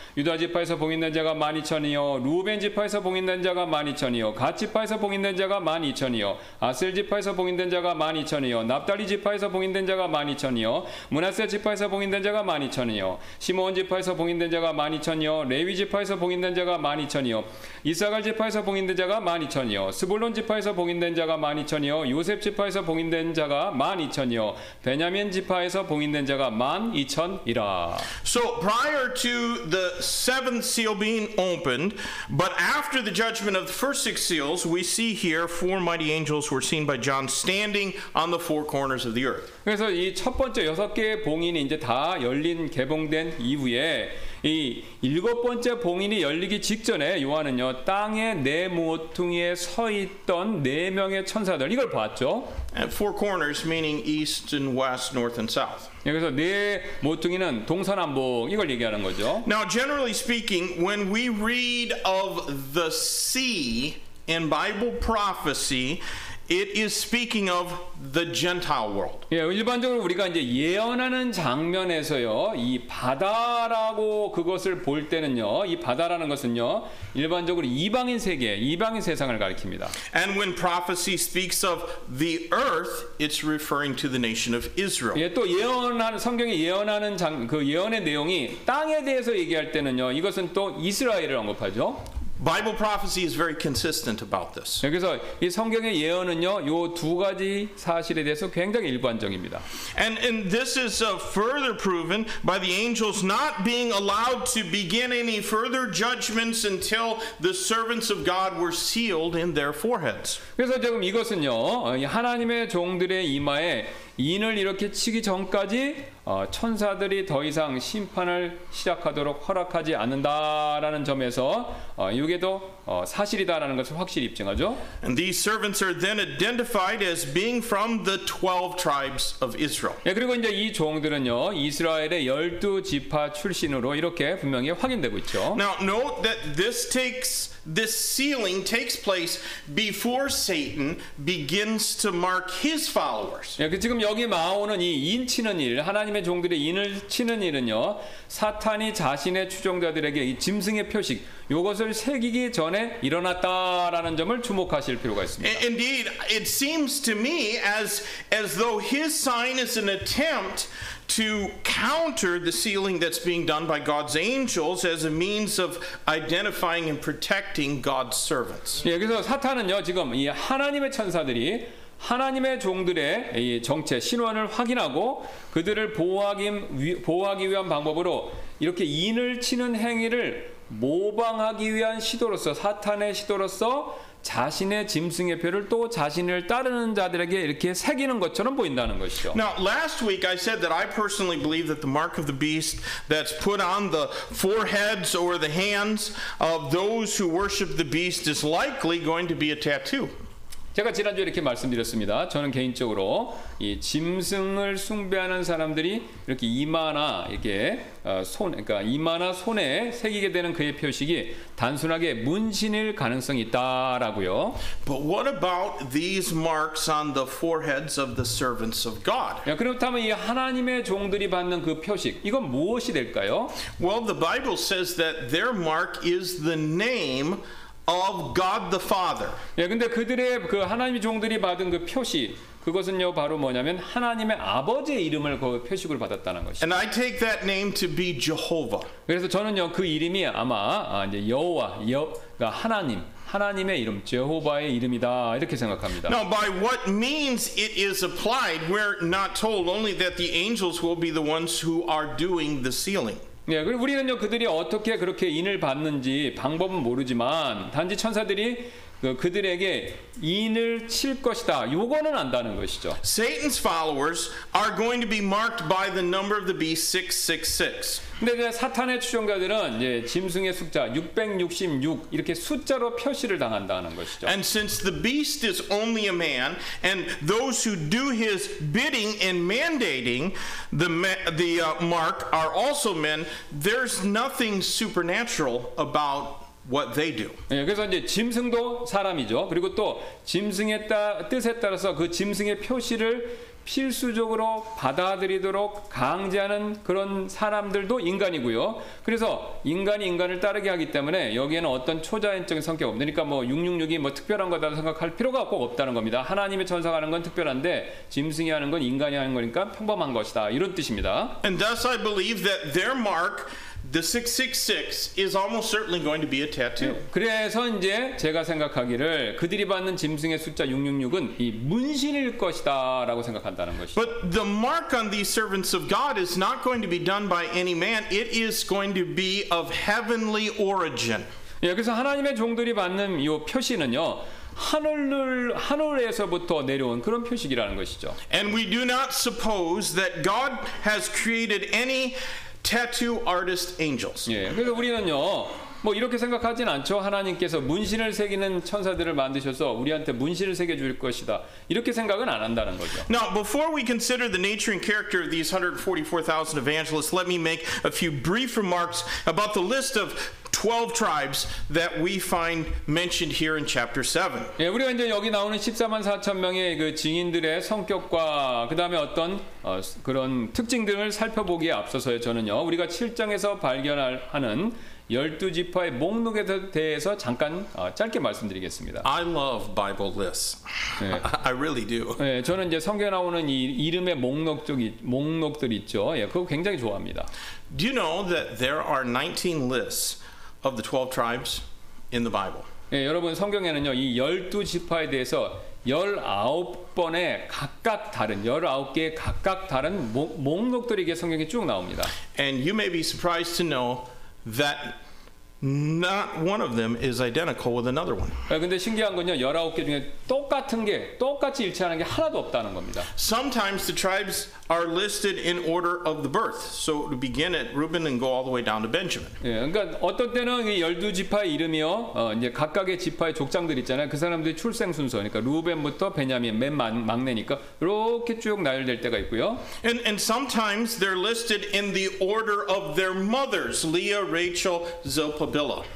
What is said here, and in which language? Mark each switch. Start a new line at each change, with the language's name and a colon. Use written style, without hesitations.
Korean: 유다 지파에서 봉인된 자가 12,000이요 루벤 지파에서 봉인된 자가 12,000이요 갓 지파에서 봉인된 자가 12,000이요 아셀 지파에서 봉인된 자가 12,000이요 납달리 지파에서 봉인된 자가 12,000이요 므낫세 지파에서 봉인된 자가 12,000이요 시므온 지파에서 봉인된 자가 12,000이요 레위 지파에서 봉인된 자가 12,000이요 이사갈 지파에서 봉인된 자가 12,000이요 스불론 지파에서 봉인된 자가 12,000이요 요셉 지파에서 봉인된 자가 12,000이요 베냐민 지파에서 봉인된 자가 12,000이라.
English: So prior to the seventh seal being opened, but after the judgment of the first six seals, we see here four mighty angels were seen by John standing on the four corners of the earth.
Korean: 그래서 이 첫 번째 여섯 개의 봉인이 이제 다 열린 개봉된 이후에 이 일곱 번째 봉인이 열리기 직전에 요한은요 땅의 네 모퉁이에 서 있던 네 명의 천사들 이걸 봤죠.
English: And four corners meaning east and west, north and south.
Korean: 여기서 네 모퉁이는 동서남북 이걸 얘기하는 거죠.
English: Now generally speaking, when we read of the sea in Bible prophecy, it is speaking of the Gentile world.
Korean: 예, 일반적으로 우리가 이제 예언하는 장면에서요, 이 바다라고 그것을 볼 때는요, 이 바다라는 것은요, 일반적으로 이방인 세계, 이방인 세상을 가리킵니다.
English: And when prophecy speaks of the earth, it's referring to the nation of Israel.
Korean: 예, 또 예언하는 성경이 예언하는 장, 그 예언의 내용이 땅에 대해서 얘기할 때는요, 이것은 또 이스라엘을 언급하죠.
English: Bible prophecy is very consistent about this.
Korean: 여기서 이 성경의 예언은요, 요 두 가지 사실에 대해서 굉장히 일관적입니다.
English: And this is further proven by the angels not being allowed to begin any further judgments until the servants of God were sealed in their foreheads.
Korean: 그래서 지금 이것은요, 하나님의 종들의 이마에 인을 이렇게 치기 전까지 천사들이 더 이상 심판을 시작하도록 허락하지 않는다라는 점에서 이게도 사실이다라는 것을 확실히 입증하죠.
English: And these servants are then identified as being from the 12 tribes of Israel.
Korean: 예, 그리고 이제 이 종들은요 이스라엘의 열두 지파 출신으로 이렇게 분명히 확인되고 있죠.
English: Now note that this sealing takes place before Satan begins to mark his followers.
Korean: 예, 그 지금 여기 마오는 이 인치는 일, 하나님의 종들의 인을 치는 일은요 사탄이 자신의 추종자들에게 이 짐승의 표식 이것을 새기기 전에 일어났다라는 점을 주목하실 필요가 있습니다.
English: Indeed, it seems to me as though his sign is an attempt to counter the sealing that's being done by God's angels as a means of identifying and protecting God's servants.
Korean: 여기서 사탄은요 지금 이 하나님의 천사들이 하나님의 종들의 이 정체 신원을 확인하고 그들을 보호하기 위한 방법으로 이렇게 인을 치는 행위를 모방하기 위한 시도로서 사탄의 시도로서 자신의 짐승의 표를 또 자신을 따르는 자들에게 이렇게 새기는 것처럼 보인다는 것이죠.
English: Now, last week I said that I personally believe that the mark of the beast that's put on the foreheads or the hands of those who worship the beast is likely going to be a tattoo.
Korean: 제가 지난주에 이렇게 말씀드렸습니다. 저는 개인적으로 이 짐승을 숭배하는 사람들이 이렇게 이마나 이렇게 손, 그러니까 이마나 손에 새기게 되는 그의 표식이 단순하게 문신일 가능성이 있다라고요.
English: But what about these marks on the foreheads of the servants of God?
Korean: 야, 그렇다면 이 하나님의 종들이 받는 그 표식, 이건 무엇이 될까요?
English: Well, the Bible says that their mark is the name of God the Father.
Korean: 예, 근데 그들의 그 하나님의 종들이 받은 그 표시 그것은요 바로 뭐냐면 하나님의 아버지의 이름을 그 표식으로 받았다는 것이.
English: And I take that name to be Jehovah.
Korean: 그래서 저는요 그 이름이 아마 이제 여호와 여 그러니까 하나님 하나님의 이름 여호와의 이름이다 이렇게 생각합니다.
English: Now by what means it is applied, we're not told. Only that the angels will be the ones who are doing the sealing.
Korean: 예, 그리고 우리는요 그들이 어떻게 그렇게 인을 받는지 방법은 모르지만 단지 천사들이 그들에게 인을 칠 것이다. 요거는 안다는 것이죠.
English: Satan's followers are going to be marked by the number of the beast 666.
Korean: 근데 이제 사탄의 추종자들은 이제 짐승의 숫자 666 이렇게 숫자로 표시를 당한다는 것이죠.
English: And since the beast is only a man and those who do his bidding and mandating the mark are also men, there's nothing supernatural about what they do.
Korean: 예, 그래서 이제 짐승도 사람이죠. 그리고 또 짐승의 뜻에 따라서 그 짐승의 표시를 필수적으로 받아들이도록 강제하는 그런 사람들도 인간이고요. 그래서 인간이 인간을 따르게 하기 때문에 여기에는 어떤 초자연적인 성격 없으니까 뭐 666이 뭐 특별한 거다 생각할 필요가 꼭 없다는 겁니다. 하나님의 천사가 하는 건 특별한데 짐승이 하는 건 인간이 하는 거니까 평범한 것이다. 이런 뜻입니다.
English: And thus I believe that their mark, the 666, is almost certainly going to be a tattoo.
Korean: 그래서 이제 제가 생각하기를 그들이 받는 짐승의 숫자 666은 이 문신일 것이다라고 생각한다는 것이죠.
English: But the mark on these servants of God is not going to be done by any man. It is going to be of heavenly origin.
Korean: 예, 그래서 하나님의 종들이 받는 이 표시는요. 하늘에서부터 내려온 그런 표식이라는 것이죠.
English: And we do not suppose that God has created any tattoo artist angels.
Korean: 예, 그래서 우리는요, 뭐 이렇게 생각하진 않죠. 하나님께서 문신을 새기는 천사들을 만드셔서 우리한테 문신을 새겨줄 것이다. 이렇게 생각은 안 한다는 거죠.
English: Now, before we consider the nature and character of these 144,000 evangelists, let me make a few brief remarks about the list of 12 tribes that we find mentioned here in chapter 7.
Korean: 예, 우리가 이제 여기 나오는 14만 4천 명의 그 증인들의 성격과 그다음에 어떤 그런 특징 등을 살펴보기에 앞서서요. 저는요. 우리가 7장에서 발견할 하는 12 지파의 목록에 대해서 잠깐 짧게 말씀드리겠습니다.
English: I love Bible lists. 네. I really do.
Korean: 예, 저는 이제 성경에 나오는 이 이름의 목록 쪽이 목록들 있죠. 예, 그거 굉장히 좋아합니다.
English: Do you know that there are 19 lists of the 12 tribes in the Bible?
Korean: 예, 여러분 성경에는요. 이 12 지파에 대해서 19번의 각각 다른 19개의 각각 다른 목록들이 이게 성경에 쭉 나옵니다.
English: And you may be surprised to know that not one of them is identical with another one.
Korean: 근데 신기한 건요. 19개 중에 똑같은 게 똑같이 일치하는 게 하나도 없다는 겁니다.
English: Sometimes the tribes are listed in order of the birth. So it would begin at Reuben and go all the way down to Benjamin.
Korean: 예, 그러니까 어떤 때는 이 열두 지파의 이름이요. 이제 각각의 지파의 족장들 있잖아요. 그 사람들의 출생 순서. 그러니까 루벤부터 베냐민 맨 막내니까 이렇게 쭉 나열될 때가 있고요.
English: And sometimes they're listed in the order of their mothers, Leah, Rachel, Zilpah, Bilhah.